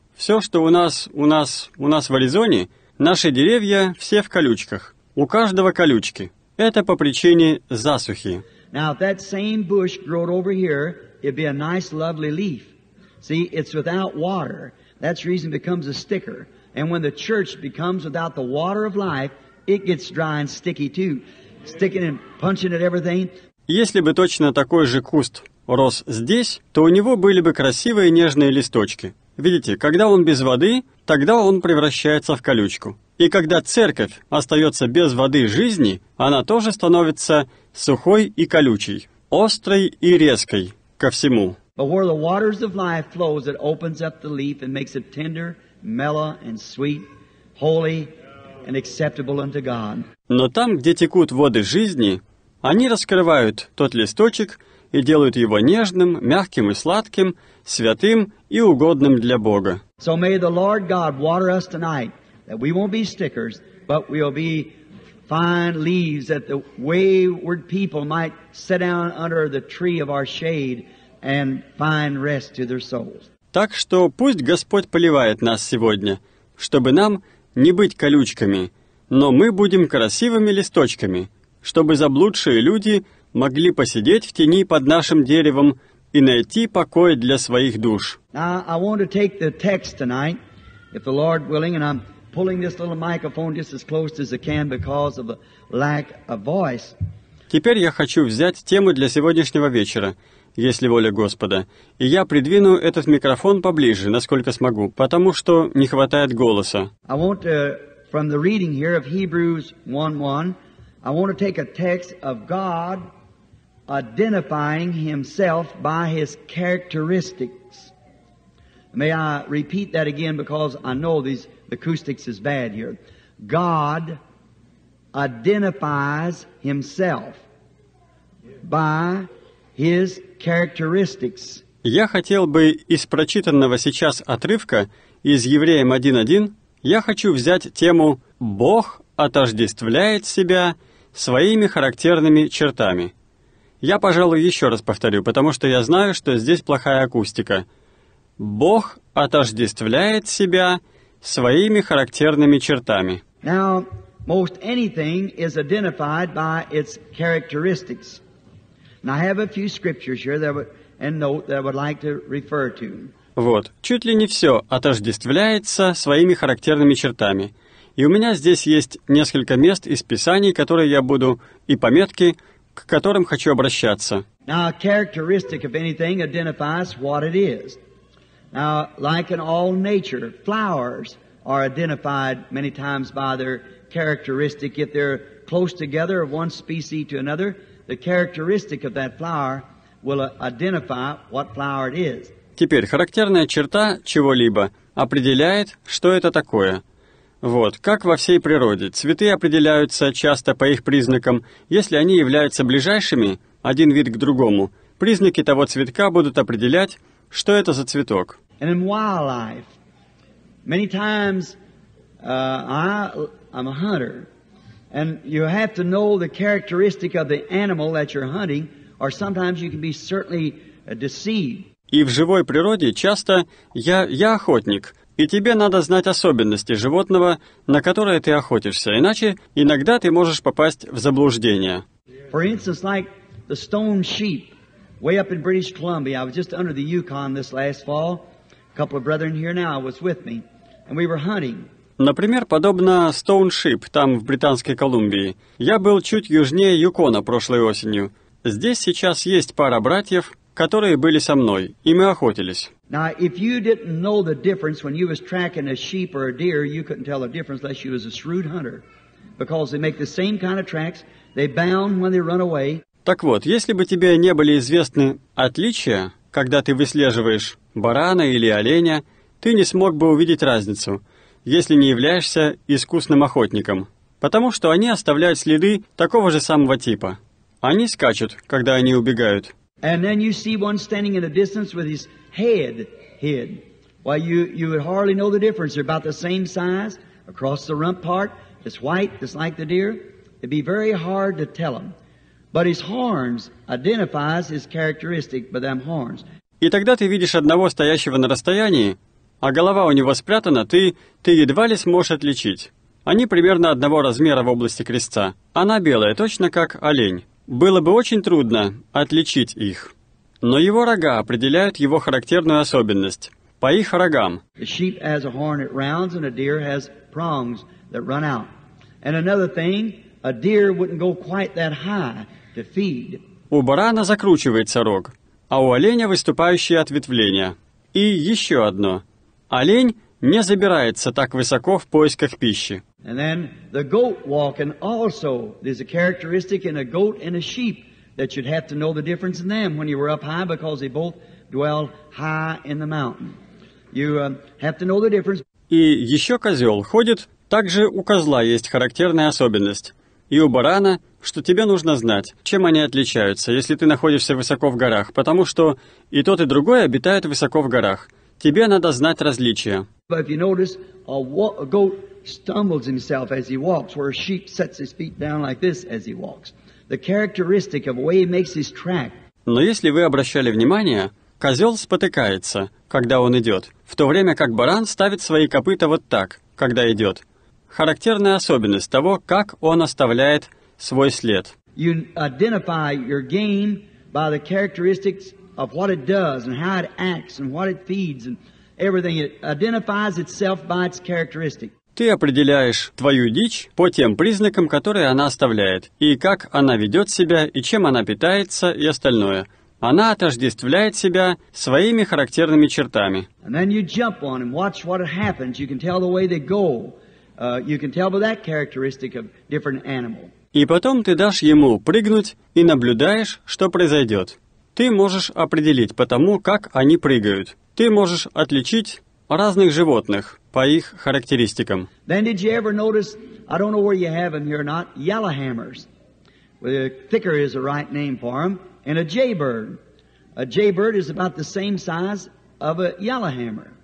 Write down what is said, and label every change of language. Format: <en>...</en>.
<ru>Все, что у нас в Аризоне, наши деревья все в колючках. У каждого колючки. Это по причине засухи.</ru> <en>Now, if that same bush growed over here, it'd be a nice, lovely leaf. See, it's without water. That's reason it becomes a sticker. And when the church becomes without the water of life, it gets dry and sticky too. Sticking and punching at everything.</en> <ru>Если бы точно такой же куст рос здесь, то у него были бы красивые нежные листочки. Видите, когда он без воды, тогда он превращается в колючку. И когда церковь остается без воды жизни, она тоже становится сухой и колючей, острой и резкой ко всему.</ru> <en>But where the waters of life flows, it opens up the leaf and makes it tender, mellow and sweet, holy and acceptable unto God.</en> <ru>Но там, где текут воды жизни, они раскрывают тот листочек и делают его нежным, мягким и сладким, святым и угодным для Бога.</ru> <en>So may the Lord God water us tonight, that we won't be stickers, but we'll be fine leaves that the wayward people might sit down under the tree of our shade and find rest to their souls.</en> <ru>Так что пусть Господь поливает нас сегодня, чтобы нам не быть колючками, но мы будем красивыми листочками, чтобы заблудшие люди могли посидеть в тени под нашим деревом и найти покой для своих душ.</ru> <en>I want to take the text tonight, if the Lord willing, and I'm pulling this little microphone just as close as I can because of a lack of voice.</en> <ru>Теперь я хочу взять тему для сегодняшнего вечера, если воля Господа, и я придвину этот микрофон поближе, насколько смогу, потому что не хватает голоса.</ru> <en>I want to, from the reading here of Hebrews 1:1, I want to take a text of God identifying himself by his characteristics. May I repeat that again, because I know these acoustics is bad here. God identifies himself by his characteristics.</en> <ru>Я хотел бы из прочитанного сейчас отрывка из Евреям 1:1, я хочу взять тему «Бог отождествляет себя своими характерными чертами». Я, пожалуй, еще раз повторю, потому что я знаю, что здесь плохая акустика. Бог отождествляет себя своими характерными чертами.</ru> <en>Now, most anything is identified by its characteristics. And I have a few scriptures here that and note that I would like to refer to.</en> <ru>Вот, чуть ли не все отождествляется своими характерными чертами. И у меня здесь есть несколько мест из Писаний, которые я буду, и пометки, к которым хочу обращаться.</ru> <en>Now, a characteristic of anything identifies what it is. Now, like in all nature, flowers are identified many times by their characteristic. If they're close together of one species to another, the characteristic of that flower will identify what flower it is.</en> <ru>Теперь, характерная черта чего-либо определяет, что это такое. Вот, как во всей природе, цветы определяются часто по их признакам. Если они являются ближайшими, один вид к другому, признаки того цветка будут определять, что это за цветок.</ru> <en>And in wildlife, many times, I'm a hunter, and you have to know the characteristic of the animal that you're hunting, or sometimes you can be certainly deceived.</en> <ru>И в живой природе часто я охотник, и тебе надо знать особенности животного, на которое ты охотишься, иначе иногда ты можешь попасть в заблуждение.</ru> <en>For instance, like the stone sheep, way up in British Columbia, I was just under the Yukon this last fall. A couple of brethren here now was with me, and we were hunting.</en> <ru>Например, подобно Stone Sheep там в Британской Колумбии. Я был чуть южнее Юкона прошлой осенью. Здесь сейчас есть пара братьев, которые были со мной, и мы охотились.</ru> <en>Now, if you didn't know the difference when you was tracking a sheep or a deer, you couldn't tell the difference unless you was a shrewd hunter, because they make the same kind of tracks. They bound when they run away.</en> <ru>Так вот, если бы тебе не были известны отличия, когда ты выслеживаешь барана или оленя, ты не смог бы увидеть разницу, если не являешься искусным охотником, потому что они оставляют следы такого же самого типа. Они скачут, когда они убегают.</ru> <en>And then you see one standing in the distance with his head hid. Well, you would hardly know the difference. They're about the same size across the rump part. It's white, just like the deer. It'd be very hard to tell them. But his horns identifies his characteristic by them horns.</en> <ru>И тогда ты видишь одного стоящего на расстоянии, а голова у него спрятана, ты едва ли сможешь отличить. Они примерно одного размера в области крестца. Она белая, точно как олень. Было бы очень трудно отличить их. Но его рога определяют его характерную особенность. По их рогам.</ru> <en>The sheep has a horn that rounds, and a deer has prongs that run out. And another thing, a deer wouldn't go quite that high to feed.</en> <ru>У барана закручивается рог, а у оленя выступающие ответвления. И еще одно. Олень не забирается так высоко в поисках пищи.</ru> <en>And then the goat walking also, there's a characteristic in a goat and a sheep that you'd have to know the difference in them when you were up high because they both dwell high in the mountain. You have to know the difference.</en> <ru>И еще козел ходит, также у козла есть характерная особенность. И у барана, что тебе нужно знать, чем они отличаются, если ты находишься высоко в горах, потому что и тот, и другой обитают высоко в горах. Тебе надо знать различия.</ru> <en>But if you notice, a goat stumbles himself as he walks, where a sheep sets his feet down like this as he walks. The characteristic of the way he makes his track.</en> <ru>Но если вы обращали внимание, козел спотыкается, когда он идет, в то время как баран ставит свои копыта вот так, когда идет. Характерная особенность того, как он оставляет свой след.</ru> <en>You identify your game by the characteristics of what it does and how it acts and what it feeds and everything. It identifies itself by its characteristic.</en> <ru>Ты определяешь твою дичь по тем признакам, которые она оставляет, и как она ведет себя, и чем она питается, и остальное. Она отождествляет себя своими характерными чертами.</ru> <en>And then you jump on and watch what happens. You can tell the way they go. You can tell by that characteristic of different animal.</en> <ru>И потом ты дашь ему прыгнуть и наблюдаешь, что произойдет. Ты можешь определить по тому, как они прыгают. Ты можешь отличить разных животных по их характеристикам.</ru> <en>Then did you ever notice, I don't know where you have them here or not, yellowhammers. Well, thicker is the right name for them. And a jaybird. A jaybird is about the same size of a yellowhammer.</en>